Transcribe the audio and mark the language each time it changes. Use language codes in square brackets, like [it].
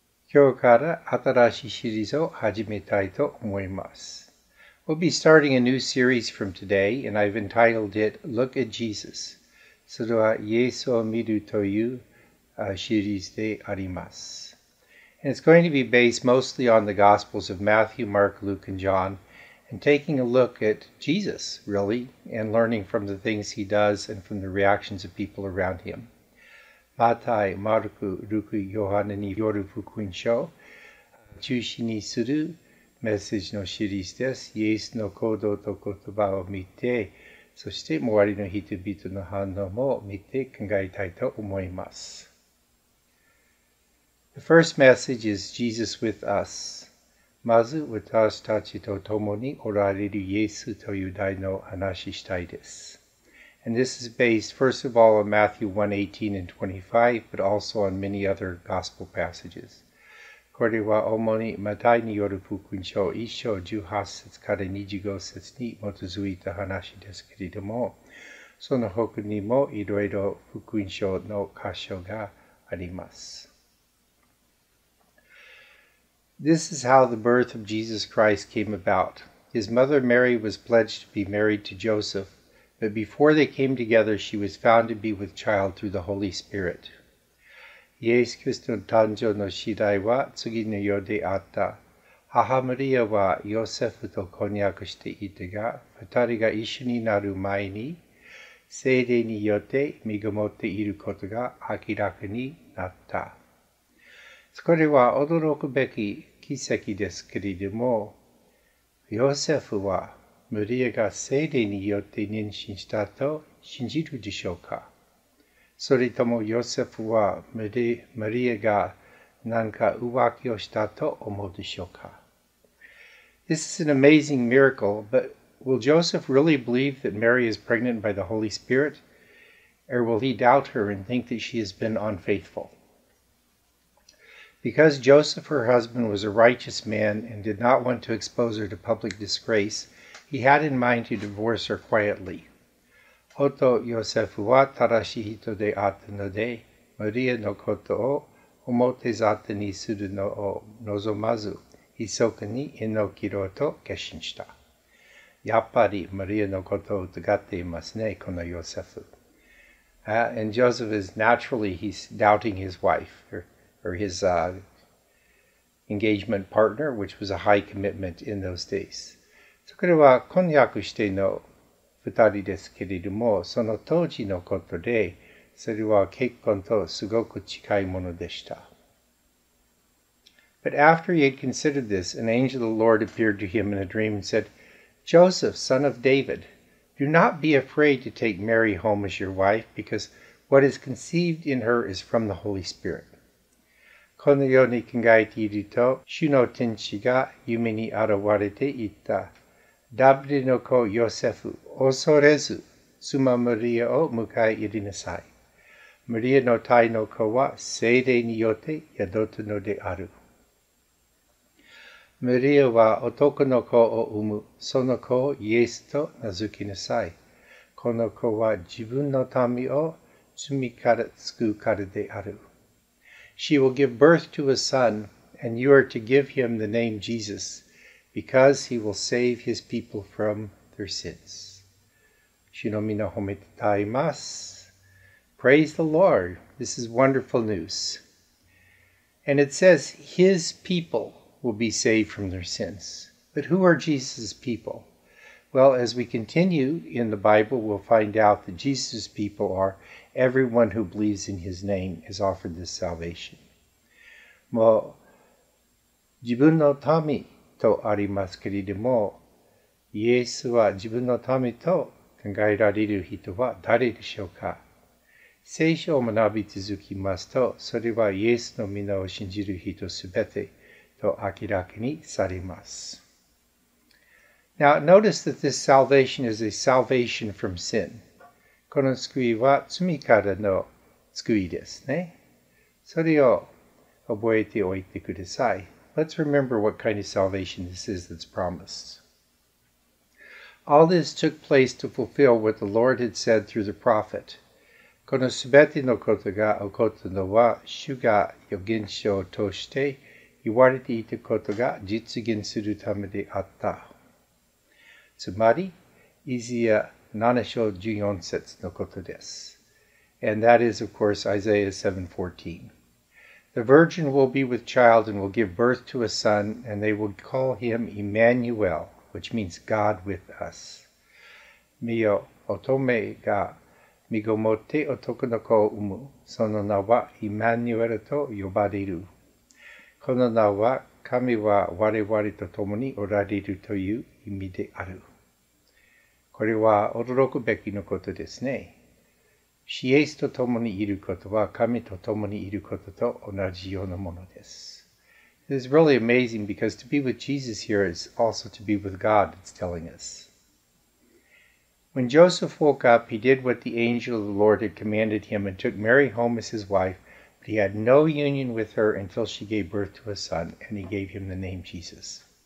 [ja] 今日から新しいシリーズを始めたいと思います。 [en] We'll be starting a new series from today, and I've entitled it Look at Jesus. [ja] それはイエスを見るというシリーズであります。 [en] And it's going to be based mostly on the Gospels of Matthew, Mark, Luke, and John, and taking a look at Jesus, really, and learning from the things he does and from the reactions of people around him. [ja] マタイ、マルク、ルク、ヨハネによる福音書中心にするメッセージのシリーズです。イエスの行動と言葉を見て、そして周りの人々の反応も見て考えたいと思います。 [en] The first message is Jesus with us. [ja] まず私たちと共におられるイエスという題の話したいです。 [en] And this is based, first of all, on Matthew 1:18 and 25, but also on many other gospel passages. [ja] これは主にマタイによる福音書1章18節から25節に基づいた話ですけれども、その他にもいろいろ福音書の箇所があります。 [en] This is how the birth of Jesus Christ came about. His mother Mary was pledged to be married to Joseph. But before they came together, she was found to be with child through the Holy Spirit. [ja] イエス・キリストの誕生の次第は次のようであった。母マリアはヨセフと婚約していたが、二人が一緒になる前に、聖霊によって身ごもっていることが明らかになった。それは驚くべき奇跡ですけれども、ヨセフは、マリアが聖霊によって妊娠したと信じるでしょうか。それともヨセフはマリアが何か浮気をしたと思うでしょうか。 [en] This is an amazing miracle, but will Joseph really believe that Mary is pregnant by the Holy Spirit? Or will he doubt her and think that she has been unfaithful? Because Joseph, her husband, was a righteous man and did not want to expose her to public disgrace,He had in mind to divorce her quietly. [ja] 夫ヨセフは正しい人であったので、マリアのことを表沙汰にするのを望まず、密かに縁を切ろうと決心した。やっぱりマリアのことを疑っていますね、このヨセフ。 [en] And Joseph is naturally, he's doubting his wife, or his engagement partner, which was a high commitment in those days. [ja] それは婚約しての二人ですけれども、その当時のことで、それは結婚とすごく近いものでした。 [en] But after he had considered this, an angel of the Lord appeared to him in a dream and said, Joseph, son of David, do not be afraid to take Mary home as your wife, because what is conceived in her is from the Holy Spirit. [ja] このように考えていると、主の天使が夢に現れていった。ダビデの子ヨセフ、恐れず、妻マリアを迎え入れなさい。マリアの胎の子は聖霊によって宿ったのである。マリアは男の子を産む、その子をイエスと名付けなさい。この子は自分の民を罪から救うからである。 [en] She will give birth to a son, and you are to give him the name Jesus. Because he will save his people from their sins. [ja] 主の皆を褒めて歌います。 [en] Praise the Lord. This is wonderful news. And it says, his people will be saved from their sins. But who are Jesus' people? Well, as we continue in the Bible, we'll find out that Jesus' people are everyone who believes in his name is offered this salvation. [ja] もう、自分の民とありますけれども、イエスは自分のためと考えられる人は誰でしょうか。聖書を学び続けますと、それはイエスの皆を信じる人すべてと明らかにされます。 [en] Now, notice that this salvation is a salvation from sin. [ja] この救いは罪からの救いですね。それを覚えておいてください。 [en] Let's remember what kind of salvation this is that's promised. All this took place to fulfill what the Lord had said through the prophet. [ja] このすべてのことが起こったのは、主が預言者を通して言われていたことが実現するためであった。つまり、イザヤ7章14節のことです。 [en] And that is, of course, Isaiah 7:14. The virgin will be with child and will give birth to a son, and they will call him Emmanuel, which means God with us. [ja] 見よ、乙女が身ごもって男の子を産む。その名はイマニュエルと呼ばれる。この名は神は我々と共におられるという意味である。これは驚くべきのことですね。シエスと共にいることは神と共にいることと同じようなものです。 [en] It is really amazing because to be with Jesus here is also to be with God, it's telling us. When Joseph woke up, he did what the angel of the Lord had commanded him and took Mary home as his wife, but he had no union with her until she gave birth to a son, and he gave him the name Jesus.